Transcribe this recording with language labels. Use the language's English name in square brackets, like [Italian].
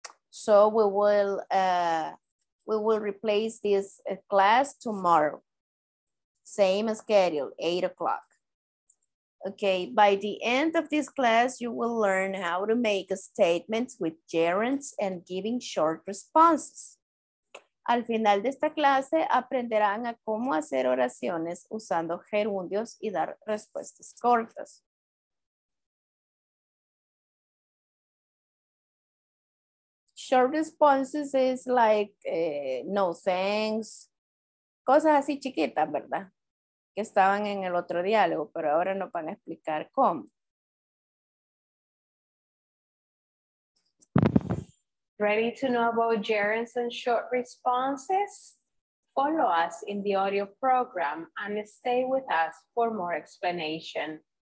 [English] So we will replace this class tomorrow. Same schedule, 8:00. Okay, by the end of this class, you will learn how to make statements with gerunds and giving short responses. [Spanish] Al final de esta clase aprenderán a cómo hacer oraciones usando gerundios y dar respuestas cortas. [English] Short responses is like no thanks, [Spanish] cosas así chiquitas, ¿verdad? Que estaban en el otro diálogo, pero ahora nos van a explicar cómo. [English] Ready to know about gerunds and short responses? Follow us in the audio program and stay with us for more explanation.